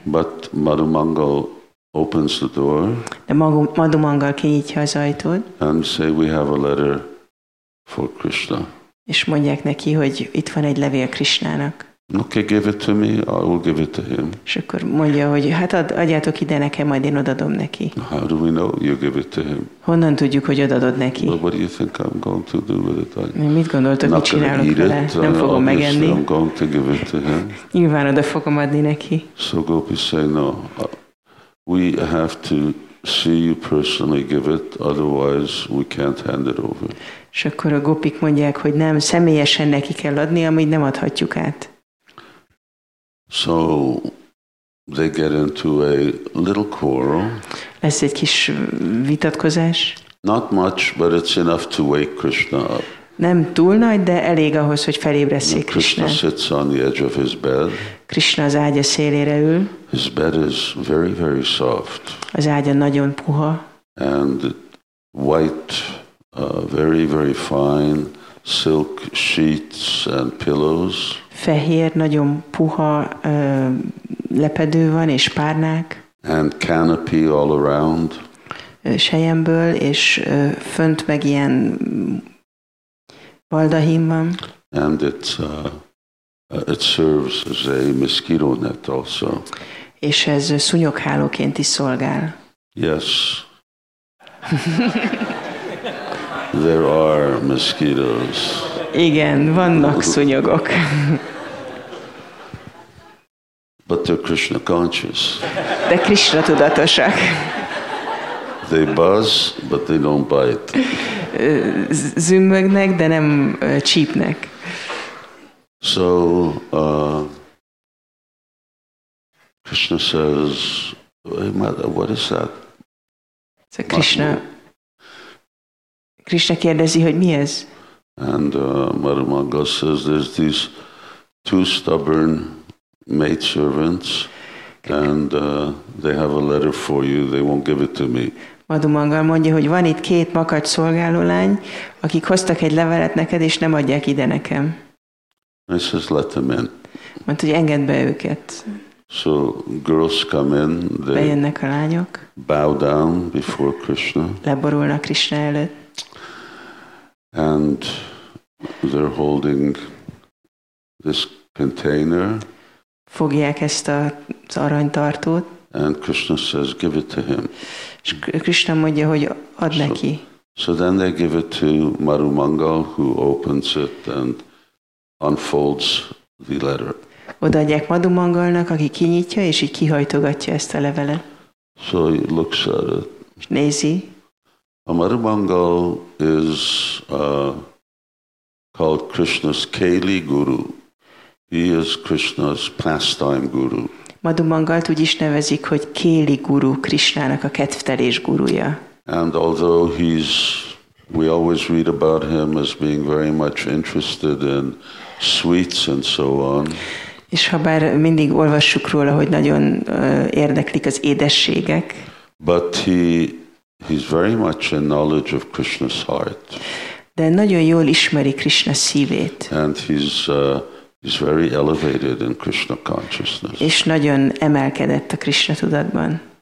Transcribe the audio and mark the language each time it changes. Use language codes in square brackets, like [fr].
[en] But Madhu Mangal opens the door. [hu] De Madhu Mangal kinyitja az ajtót. [en] And say we have a letter for Krishna. [hu] És mondják neki, hogy itt van egy levél Krishnának. [en] Okay, give it to me, I will give it to him. [hu] És akkor mondja, hogy hát adjátok ide nekem, majd én odaadom neki. [en] How do we know you give it to him? [hu] Honnan tudjuk, hogy odaadod neki? [en] Well, what do you think I'm going to do with it? [hu] Mit gondoltok, mit csinálok vele? Nem fogom megenni. [en] I'm going to give it to him. [hu] Nyilván oda fogom adni neki. [en] So Gopi say no. We have to see you personally give it, otherwise we can't hand it over. [hu] És akkor a gopik mondják, hogy nem, személyesen neki kell adni, amit nem adhatjuk át. [en] So they get into a little quarrel. [hu] Lesz egy kis vitatkozás. [en] Not much, but it's enough to wake Krishna up. [hu] Nem túl nagy, de elég ahhoz, hogy felébresszék Krishna. [en] Krishna sits on the edge of his bed. [hu] Krishna az ágya szélére ül. [en] His bed is very, very soft. [hu] Az ágya nagyon puha. [en] And white, very, very fine silk sheets and pillows. [hu] Fehér, nagyon puha lepedő van és párnák. [en] And canopy all around. [hu] Sejemből és fönt meg ilyen baldahím van. [en] And it serves as a mosquito net also. [hu] És ez szúnyoghálóként is szolgál. [en] Yes. There are mosquitoes. [hu] Igen, vannak szúnyogok. [en] But they're Krishna conscious. [hu] De Krishna tudatosak. [en] They buzz, but they don't bite. [hu] Zümmögnek, de nem csípnek. [en] So Krishna says, hey, mother, what is that? [hu] So Krishna kérdezi, hogy mi ez? [en] And Madhu Mangal says, there's these two stubborn maidservants, and they have a letter for you, they won't give it to me. [hu] Madhu Mangal mondja, hogy van itt két makacs szolgálólány, akik hoztak egy levelet neked, és nem adják ide nekem. [en] I says, let them in. [hu] Mondta, hogy engedd be őket. [en] So girls come in, they [hu] bejönnek a lányok, [en] bow down before Krishna. [hu] Leborulnak Krishna előtt. [en] And they're holding this container. [hu] Fogják ezt az aranytartót. [en] And Krishna says, give it to him. [hu] És Krishna mondja, hogy add neki. [en] So then they give it to Madhu Mangal, who opens it and unfolds the letter. [hu] Odaadják Madhu Mangalnak, aki kinyitja, és így kihajtogatja ezt a levelet. [en] So he looks at it. [hu] És nézi. [en] A Madhu Mangal is called Krishna's Kali Guru. He is Krishna's pastime guru. [hu] Madhu Mangalt úgy is nevezik, hogy Kali Guru, Krishnának a kedvtelés gurúja. [en] And although he's, we always read about him as being very much interested in sweets and so on. [hu] És habár mindig olvassuk róla, hogy nagyon érdeklik az édességek. [en] But he's very much in knowledge of Krishna's heart. [hu] De nagyon jól ismeri Krishna szívét. [en] And he's very elevated in Krishna consciousness. [hu] És nagyon emelkedett a Krishna tudatban.